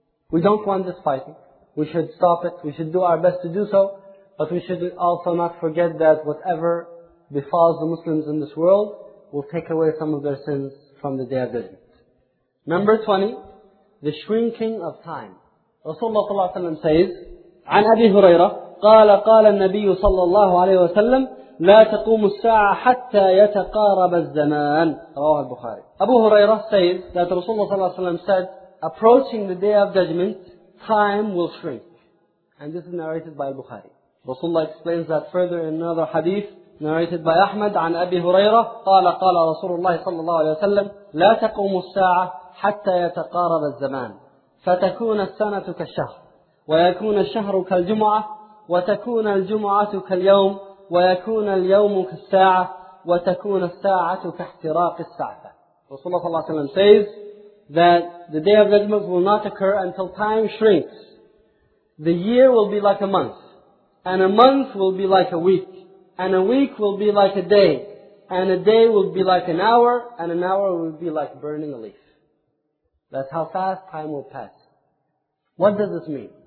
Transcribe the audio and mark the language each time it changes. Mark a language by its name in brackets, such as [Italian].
[English] We don't want this fighting. We should stop it. We should do our best to do so. But we should also not forget that whatever befalls the Muslims in this world will take away some of their sins from the Day of Judgment. Number 20, the shrinking of time. Rasulullah ﷺ says, [Arabic] عن أبي هريرة قال قال النبي صلى الله عليه وسلم لا تقوم الساعة حتى يتقارب الزمان. رواه البخاري. [English] Abu Huraira says that Rasulullah ﷺ said, approaching the Day of Judgment, time will shrink. And this is narrated by Bukhari. Rasulullah explains that further in another hadith narrated by Ahmad [Arabic] عن أبي هريرة قال قال رسول الله صلى الله عليه وسلم لا تقوم الساعة حتى يتقارب الزمان فتكون السنة كالشهر ويكون الشهر كالجمعة وتكون الجمعة كاليوم ويكون اليوم كالساعة وتكون الساعة كاحتراق السعفة. [English] Rasulullah [Arabic] صلى الله عليه وسلم [English] says that the day of judgment will not occur until time shrinks. The year will be like a month. And a month will be like a week. And a week will be like a day. And a day will be like an hour. And an hour will be like burning a leaf. That's how fast time will pass. What does this mean?